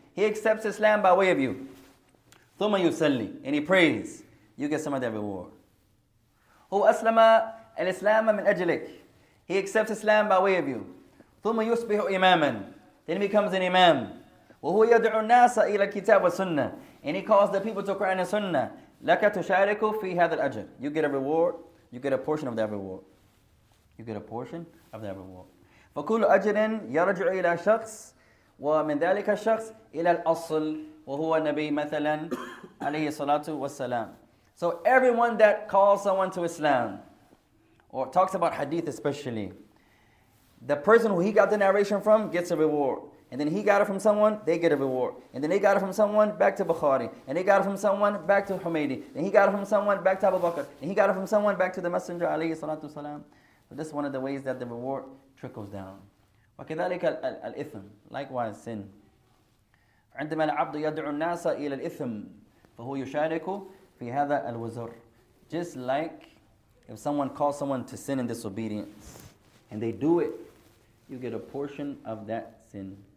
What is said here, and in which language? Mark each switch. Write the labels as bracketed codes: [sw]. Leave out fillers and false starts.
[en] He accepts Islam by way of you. [ar] ثم يسلي. [en] And he prays. You get some of that reward. [ar] هو أسلم الإسلام من أجلك. [en] He accepts Islam by way of you. [ar] ثم يصبح إماما. [en] Then he becomes an imam. [ar] وهو يدعو الناس إلى الكتاب والسنة. [en] And he calls the people to Quran and Sunnah. [ar] لك تشارك في هذا الأجر. [en] You get a reward. You get a portion of that reward. You get a portion of that reward. [ar] فكل أجر يرجع إلى شخص ومن ذلك الشخص إلى الأصل وهو النبي مثلا عليه الصلاة والسلام. [en] So everyone that calls someone to Islam or talks about hadith especially, the person who he got the narration from gets a reward. And then he got it from someone, they get a reward. And then they got it from someone, back to Bukhari. And they got it from someone, back to Humaydi. And he got it from someone, back to Abu Bakr. And he got it from someone, back to the Messenger, alayhi salatu salam. But this is one of the ways that the reward trickles down. [ar] وَكَذَلِكَ الْإِثْمِ [en] Likewise, sin. [ar] عندما العبد يدعو الناس إلى الإثم فهو يشارك في هذا الوزر. [en] Just like if someone calls someone to sin in disobedience, and they do it, you get a portion of that sin.